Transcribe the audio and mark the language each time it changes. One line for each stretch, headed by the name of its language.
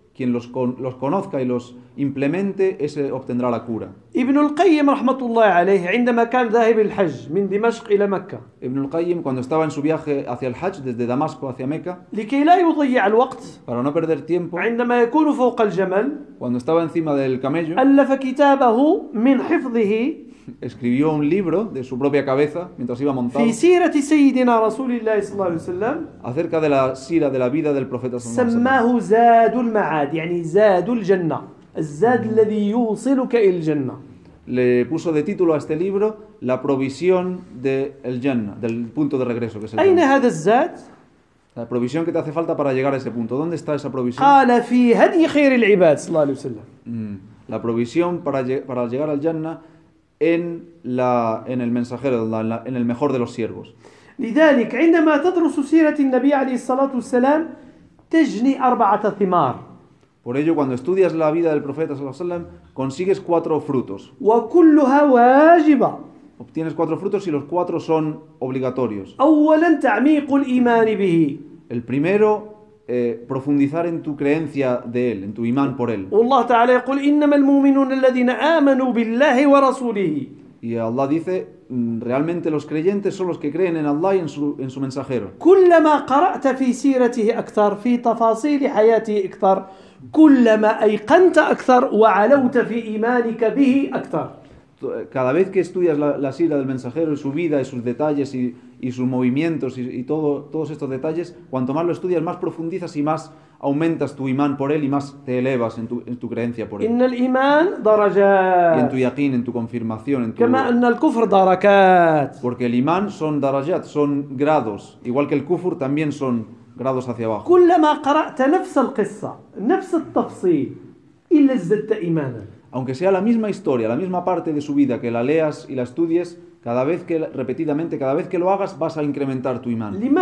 Spanish: Quien los conozca y los implemente, ese obtendrá la cura.
Arabic: Ibn al-Qayyim rahmatullah alayhi, عندما كان ذاهب الحج من دمشق الى مكه.
Spanish: Ibn al-Qayyim cuando estaba en su viaje hacia el Hajj desde Damasco hacia Meca.
Arabic: لكي لا يضيع الوقت.
Spanish: Para no perder tiempo.
Arabic: عندما يكون فوق الجمل.
Spanish: Cuando estaba encima del camello.
Arabic: ألف كتابه من حفظه.
Spanish: Escribió un libro de su propia cabeza mientras iba montado.
Arabic: في سيرة سيدنا رسول الله صلى الله عليه وسلم.
Spanish: Acerca de la sira de la vida del profeta.
Arabic: سماه زاد المعاد يعني زاد الجنة الزاد الذي يوصلك إلى الجنة.
Spanish: Le puso de título a este libro la provisión del Jannah, del punto de regreso que es el.
Arabic: أين هذا الزاد؟
Spanish: La provisión que te hace falta para llegar a ese punto. ¿Dónde está esa provisión?
Arabic: قال في هدي خير العباد صلى الله عليه وسلم.
Spanish: La provisión para llegar al Jannah en el mensajero de Allah, en el mejor de los siervos.
Arabic: لذلك عندما تدرس سيرة النبي عليه الصلاة والسلام تجني أربعة ثمار.
Spanish: Por ello cuando estudias la vida del profeta
Arabic: صلى الله عليه وسلم
Spanish: consigues cuatro frutos.
Arabic: وكلها واجبة.
Spanish: Obtienes cuatro frutos y los cuatro son obligatorios.
Arabic: أولا تعميق الإيمان به.
Spanish: El primero profundizar en tu creencia de él, en tu imán por él.
Arabic: والله تعالى يقول إنما المؤمنون الذين آمنوا بالله ورسوله.
Spanish: Y Allah dice realmente los creyentes son los que creen en Allah y en su mensajero.
Arabic: كلما قرأت في سيرته أكثر في تفاصيل حياته أكثر كلما أيقنت أكثر وعلوت في إيمانك به أكثر.
Spanish: Cada vez que estudias la sira del mensajero y su vida y sus detalles y sus movimientos y todos estos detalles, cuanto más lo estudias, más profundizas y más aumentas tu imán por él y más te elevas en tu creencia por él.
Arabic: إن الإيمان درجات.
Spanish: Y en tu yaqín, en tu confirmación, en tu.
Arabic: كما أن الكفر دركات.
Spanish: Porque el imán son darajat, son grados, igual que el kufur también son grados hacia abajo.
Arabic: كلما قرأت نفس القصة نفس التفصيل إلا زدت إيمانا.
Spanish: Aunque sea la misma historia, la misma parte de su vida, que la leas y la estudies, cada vez que repetidamente, cada vez que lo hagas, vas a incrementar tu imán.